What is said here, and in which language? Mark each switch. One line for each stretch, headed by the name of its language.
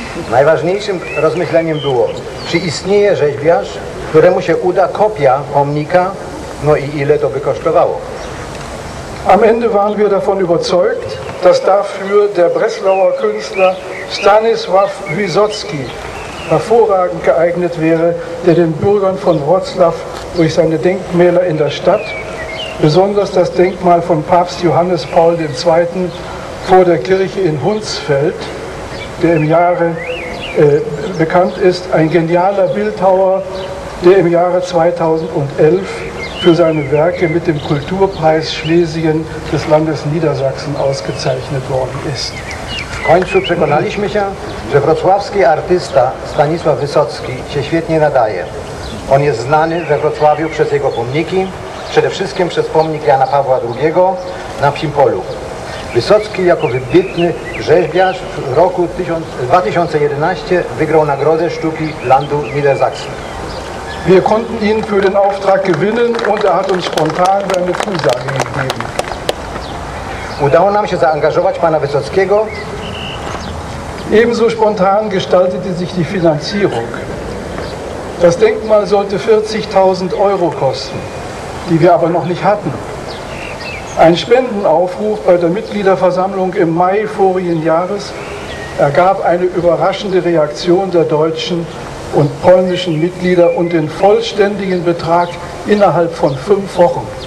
Polish: Najważniejszym rozmyśleniem było, czy istnieje rzeźbiarz, któremu się uda kopia pomnika, no i ile to by kosztowało?
German: Am Ende waren wir davon überzeugt, dass dafür der Breslauer Künstler Stanisław Wysocki hervorragend geeignet wäre, der den Bürgern von Wrocław durch seine Denkmäler in der Stadt, besonders das Denkmal von Papst Johannes Paul II. Vor der Kirche in Hunsfeld, der im Jahre bekannt ist, ein genialer Bildhauer, der im Jahre 2011 für seine Werke mit dem Kulturpreis Schlesien des Landes Niedersachsen ausgezeichnet worden ist.
Polish: W końcu przekonaliśmy się, że wrocławski artysta Stanisław Wysocki się świetnie nadaje. On jest znany we Wrocławiu przez jego pomniki, przede wszystkim przez pomnik Jana Pawła II na Psimpolu. Wysocki jako wybitny rzeźbiarz w roku 2011 wygrał Nagrodę Sztuki Landu Niedersachsen.
German: Wir konnten ihn für den Auftrag gewinnen und er hat uns spontan seine Zusage gegeben.
Polish: Udało nam się zaangażować pana Wysockiego.
German: Ebenso spontan gestaltete sich die Finanzierung. Das Denkmal sollte 40.000 Euro kosten, die wir aber noch nicht hatten. Ein Spendenaufruf bei der Mitgliederversammlung im Mai vorigen Jahres ergab eine überraschende Reaktion der Deutschen und polnischen Mitglieder und den vollständigen Betrag innerhalb von 5 Wochen.